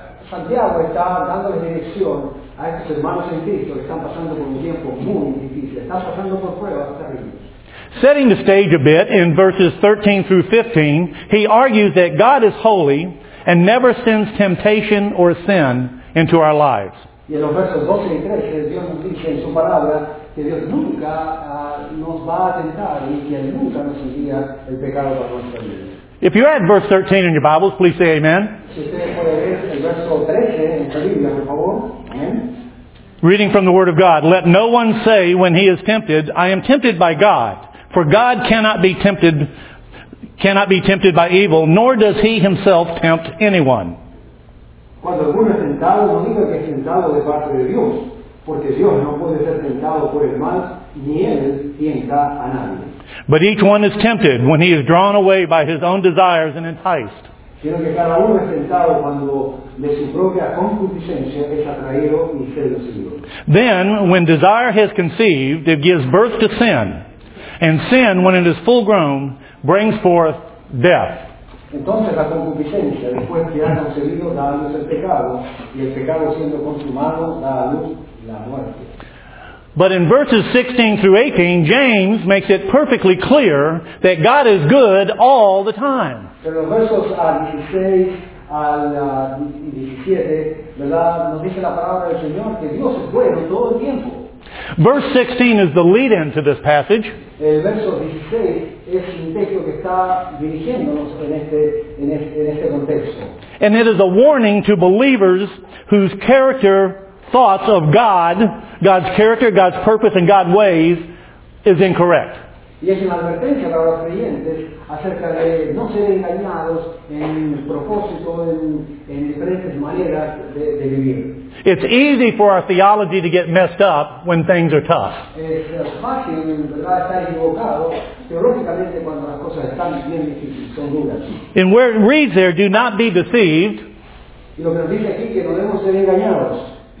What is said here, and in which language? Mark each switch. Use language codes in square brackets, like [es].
[es] Santiago está dando la dirección a estos hermanos en Cristo que están pasando por un tiempo muy difícil. Están pasando por pruebas terribles. [en] Setting the stage a bit, in verses 13 through 15, he argues that God is holy and never sends temptation or sin into our lives. [es] Y en los versos 12 y 13, Dios nos dice en su palabra que Dios nunca nos va a tentar y que Él nunca nos envía el pecado para nuestra vida. [en] If you add verse 13 in your Bibles, please say amen. [es] Si usted puede leer el verso 13 en su Biblia, por favor. [en] Amen. Reading from the Word of God, let no one say when he is tempted, I am tempted by God, for God cannot be tempted by evil, nor does He Himself tempt anyone. [es] Cuando alguno es tentado, no diga que es tentado de parte de Dios, porque Dios no puede ser tentado por el mal, ni Él tienta a nadie. [en] But each one is tempted when he is drawn away by his own desires and enticed. [es] sino que cada uno es tentado cuando de su propia concupiscencia es atraído y seducido. [en] Then, when desire has conceived, it gives birth to sin. And sin, when it is full grown, brings forth death. [es] Entonces la concupiscencia, después que ha concebido, da a luz el pecado, y el pecado siendo consumado, da a luz la muerte. [en] But in verses 16 through 18, James makes it perfectly clear that God is good all the time. [es] Pero versos 16 al 17, ¿verdad? Nos dice la palabra del Señor que Dios es bueno todo el tiempo. [en] Verse 16 is the lead-in to this passage. [es] El verso 16 es un texto que está dirigiéndonos en este contexto. [en] And it is a warning to believers whose character, thoughts of God, God's character, God's purpose, and God's ways is incorrect. [es] Y es una advertencia para los creyentes acerca de no ser engañados en propósito, en diferentes maneras de vivir. [en] It's easy for our theology to get messed up when things are tough. [es] Es fácil, ¿verdad?, estar equivocado teológicamente cuando las cosas están bien difíciles, son duras. [en] And where it reads there, do not be deceived. [es] Y lo que nos dice aquí, que no debemos ser engañados.